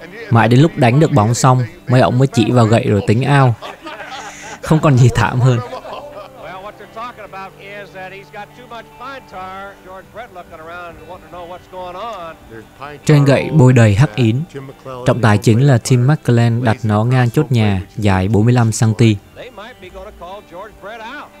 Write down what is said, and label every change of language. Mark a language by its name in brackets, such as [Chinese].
[Vietnamese] Mãi đến lúc đánh được bóng xong, mấy ông mới chỉ vào gậy rồi tính out. Không còn gì thảm hơn. [English] about is that he's got too much pine tar. George Brett looking around wanting to know what's going on. [Vietnamese] Trên gậy bôi đầy hắc ín. Trọng tài chính là Tim McClellan đặt nó ngang chốt nhà dài 45 cm. [English] They might be going to call George Brett out.